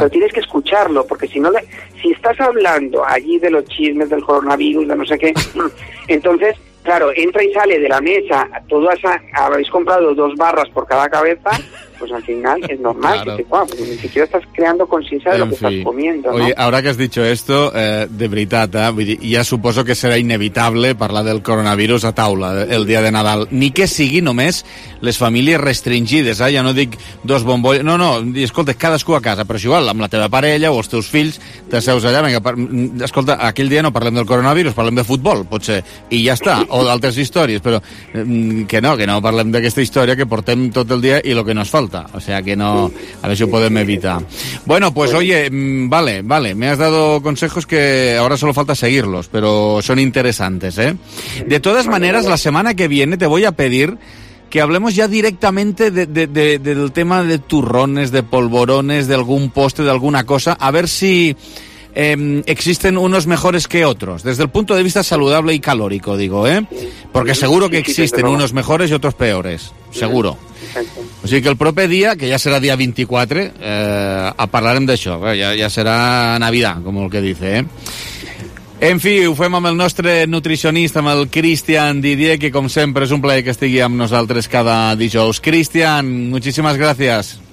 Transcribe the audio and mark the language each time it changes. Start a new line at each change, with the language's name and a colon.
Spanish: Pero tienes que escucharlo, porque si no, si estás hablando allí de los chismes, del coronavirus, de no sé qué, entonces, claro, entra y sale de la mesa, habéis comprado 2 barras por cada cabeza. Pues al final es normal, claro, que ni siquiera estás creando conciencia de lo que estás comiendo, ¿no? Oye, ahora que has dicho esto,
Catalan: de veritat, ya suposo que serà inevitable parlar del coronavirus a taula el dia de Nadal, ni que sigui només les famílies restringides, ja no dic 2 bombolles, no, escolta, cadascú a casa, però és igual, amb la teva parella o els teus fills, t'asseus allà, vinga, escolta, aquell dia no parlem del coronavirus, parlem de futbol, potser, i ja està, o d'altres històries, però que no parlem d'aquesta història que portem tot el dia i el que no es falta,
Spanish: o sea que no, a ver si
Catalan: ho podem evitar.
Spanish: Bueno, pues oye, vale, me has dado consejos que ahora solo falta seguirlos, pero son interesantes, De todas maneras, la semana que viene te voy a pedir que hablemos ya directamente del tema de turrones, de polvorones, de algún postre, de alguna cosa, a ver si existen unos mejores que otros, desde el punto de vista saludable y calórico, digo, porque seguro que existen unos mejores y otros peores, seguro.
Catalan: O sigui que el proper dia, que ja serà dia 24, parlarem d'això, ja serà Navidad, com
Spanish: el que dice,
Catalan: En fi, ho fem amb el nostre nutricionista, amb el Cristian Didier, que com sempre és un plaer que estigui amb nosaltres cada dijous. Cristian, moltíssimes gràcies.